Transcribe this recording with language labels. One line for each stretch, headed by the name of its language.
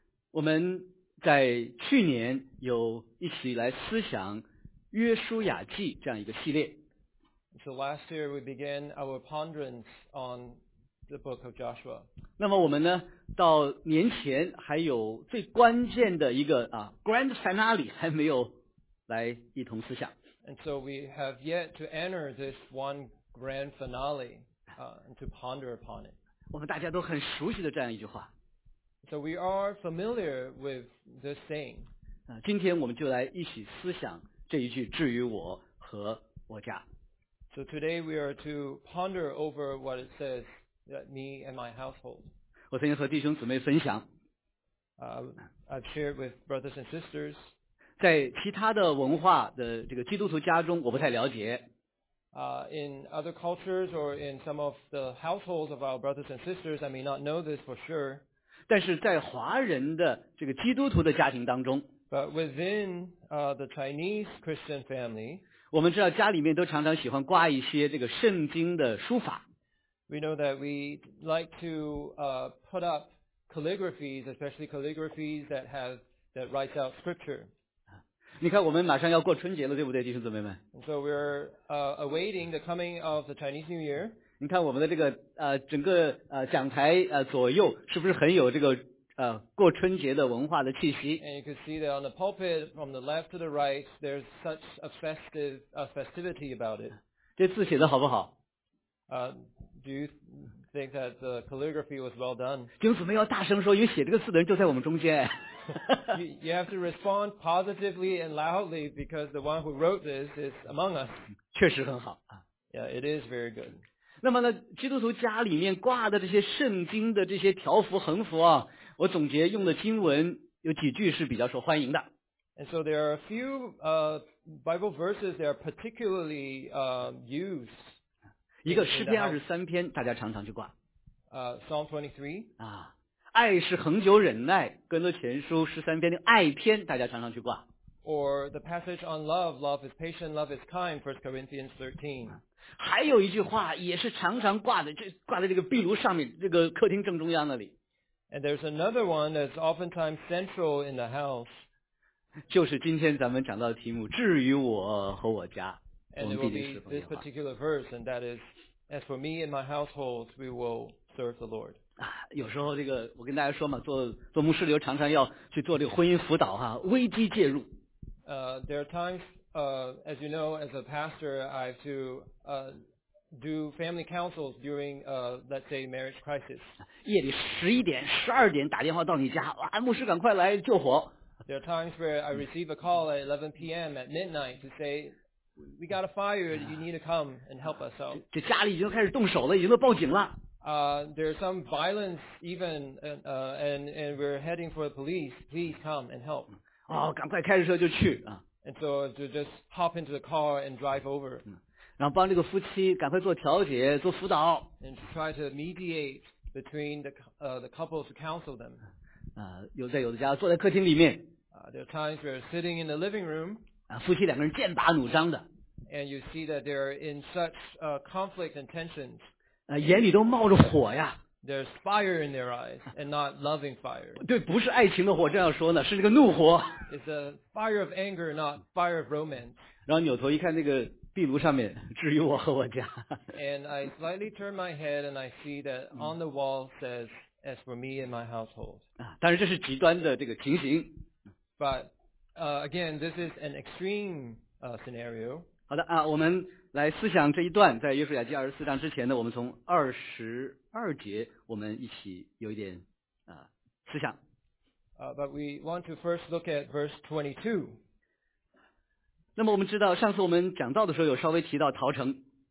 Chinese: 我们在去年有一起来思想约书亚记这样一个系列。
English: So last year we began our ponderance on the book of Joshua.
Chinese: 那么我们呢？到年前还有最关键的一个啊
English: grand finale
Chinese: 还没有来一同思想。
English: And so we have yet to enter this one grand finale, and to ponder upon it.
Chinese: 我们大家都很熟悉的这样一句话。
English: So we are familiar with this saying.
Chinese: 今天我们就来一起思想这一句至于我和我家。
English: So today we are to ponder over what it says that me and my household.
Chinese: 我曾经和弟兄姊妹分享
English: I've shared with brothers and sisters.
Chinese: 在其他的文化的这个基督徒家中我不太了解
English: In other cultures or in some of the households of our brothers and sisters, I may not know this for sure.
Chinese: 但是在华人的这个基督徒的家庭当中
English: But within the Chinese Christian family,
Chinese: 我们知道家里面都常常喜欢挂一些这个圣经的书法
English: We know that we like to put up calligraphies, especially calligraphies that writes out scripture.
Chinese: 你看我们马上要过春节了，对不对，弟兄姊妹们
English: ？So we're awaiting the coming of the Chinese New Year.
Chinese: 你看我们的这个整个讲台左右是不是很有这个过春节的文化的气息
English: ？And you can see that on the pulpit from the left to the right, there's such a festivity about it.
Chinese: 这字写的好不好？
English: Do you think that the calligraphy was well done?
Chinese: 弟兄姊妹要大声说，因为写这个字的人就在我们中间。
English: You have to respond positively and loudly because the one who wrote this is among us.
Chinese: 确实很好。
English: Yeah, it is very good.
Chinese: 那么呢，基督徒家里面挂的这些圣经的这些条幅横幅啊，我总结用的经文有几句是比较受欢迎的。
English: And so there are a few Bible verses that are particularly used.
Chinese: 一个诗篇二十三篇，大家常常去挂。
English: Psalm 23.
Chinese: 啊，爱是恒久忍耐，哥罗前书十三篇的爱篇，大家常常去挂。
English: Or the passage on love, love is patient, love is kind, 1 Corinthians 13.
Chinese: 还有一句话也是常常挂在这个壁炉上面，这个客厅正中央那里。
English: And there's another one that's oftentimes central in the house.
Chinese: 就是今天咱们讲到的题目，至于我和我家，我们必定侍奉耶和华。有时候这个我跟大家说嘛，做牧师的时候常常要去做这个婚姻辅导哈，危机介入。
English: There are times, as you know, as a pastor, I have to, do family councils during, let's say, marriage crisis.
Chinese: 夜里十一点、十二点打电话到你家，哇，牧师赶快来救火。
English: There are times where I receive a call at 11 p.m. at midnight to say, we got a fire, you need to come and help us out.
Chinese: 这家里已经开始动手了，已经都报警了。
English: There's some violence even, and we're heading for the police, please come and help.
Chinese: 哦，赶快开着车就去啊。
English: And so to just hop into the car and drive over.
Chinese: 然后帮这个夫妻赶快做调解，做辅导。
English: And to try to mediate between the couples to counsel them.
Chinese: 有的家坐在客厅里面。
English: There are times we're sitting in the living room.
Chinese: 夫妻两个人剑拔弩张的。
English: And you see that they're in such conflict and tensions.
Chinese: 眼里都冒着火呀。
English: There's fire in their eyes and not loving fire.
Chinese: 对，不是爱情的火，这样说呢，是这个怒火。
English: It's a fire of anger, not fire of romance.
Chinese: 然后扭头一看，那个壁炉上面，至于我和我家。
English: And I slightly turn my head and I see that on the wall says. As for me and my household.
Chinese: 但是这是极端的这个情形。
English: But, again, this is an extreme, scenario.
Chinese: 好的啊，我们来思想这一段，在约书亚记二十四章之前呢，我们从二十二节，我们一起有一点思想。
English: But we want to first look at verse 22.
Chinese: 那么我们知道，上次我们讲到的时候有稍微提到逃城。